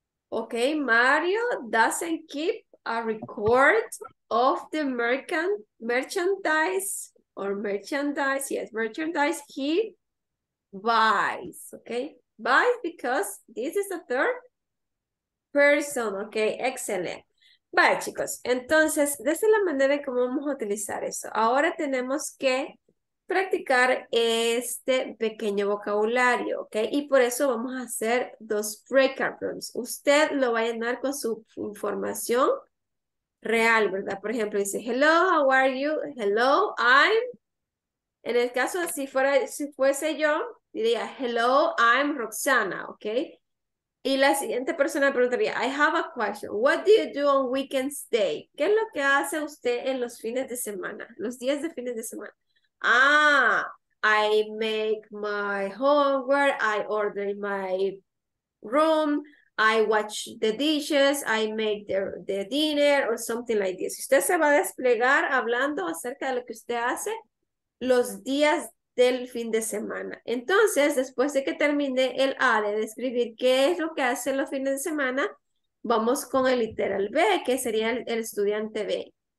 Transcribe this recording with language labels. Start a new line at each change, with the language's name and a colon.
English: Okay, Mario doesn't keep a record of the merchandise he buys. Okay, buys because this is the third person, ok, excelente.
Spanish: Vale, chicos, entonces, de esa es la manera en cómo vamos a utilizar eso. Ahora tenemos que practicar este pequeño vocabulario, ¿ok? Y por eso vamos a hacer dos breakout rooms. Usted lo va a llenar con su información real, ¿verdad? Por ejemplo, dice,
English: hello, how are you? Hello, I'm...
Spanish: En el caso, si fuese yo, diría,
English: hello, I'm Roxana,
Spanish: ¿ok? Y la siguiente persona preguntaría,
English: I have a question. What do you do on weekends day?
Spanish: ¿Qué es lo que hace usted en los fines de semana? Los días de fines de semana.
English: I make my homework. I order my room. I wash the dishes. I make the dinner or something like this.
Spanish: Usted se va a desplegar hablando acerca de lo que usted hace los días del fin de semana. Entonces, después de que termine el A de describir qué es lo que hace los fines de semana, vamos con el literal B, que sería el estudiante B.